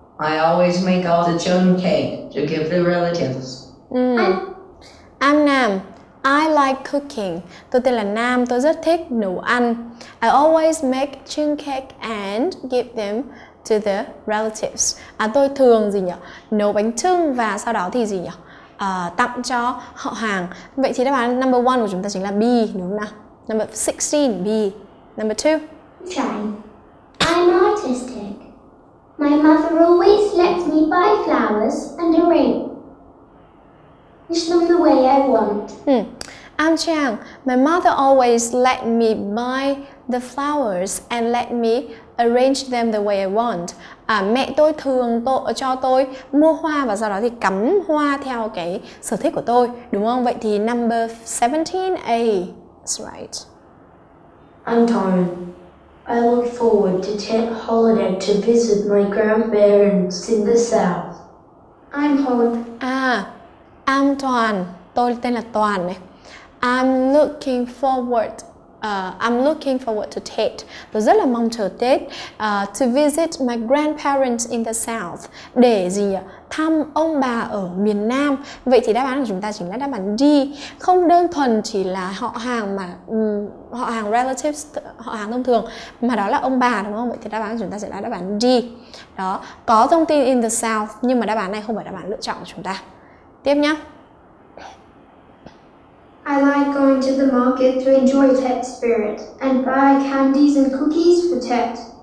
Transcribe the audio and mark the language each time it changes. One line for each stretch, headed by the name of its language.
English: I always make all the chung cake to give the relatives. I'm Nam. I like cooking.
Vietnamese: Tôi tên là Nam, tôi rất thích nấu ăn.
English: I always make chung cake and give them to the relatives.
Vietnamese: Tôi thường gì nhỉ? Nấu bánh chưng và sau đó thì gì nhỉ? Tặng cho họ hàng. Vậy thì đáp án number 1 của chúng ta chính là B, đúng không nào?
English: Number 16, B. Number 2. I'm artistic. My mother always lets me buy flowers and a ring. The way I want. I'm Chang. My mother always let me buy the flowers and let me arrange them the way I want.
Vietnamese: Mẹ tôi thường cho tôi mua hoa và sau đó thì cắm hoa theo cái sở thích của tôi, đúng không? Vậy thì
English: number 17A. That's right. I'm Tom. I look forward to Tet holiday to visit my grandparents in the south. I'm Holland. I'm Toàn,
Vietnamese: tôi tên là Toàn này.
English: I'm looking forward to Tết.
Vietnamese: Tôi rất là mong chờ Tết.
English: To visit my grandparents in the south.
Vietnamese: Để gì nhỉ? thăm ông bà ở miền Nam. Vậy thì đáp án của chúng ta chính là đáp án D. Không đơn thuần chỉ là họ hàng mà họ hàng relatives, họ hàng thông thường, mà đó là ông bà đúng không? Vậy thì đáp án của chúng ta sẽ là đáp án D. Đó, có thông tin
English: in the South,
Vietnamese: nhưng mà đáp án này không phải đáp án lựa chọn của chúng ta. Tiếp nhé.
English: I like going to the market to enjoy Tet spirit and buy candies and cookies for Tet.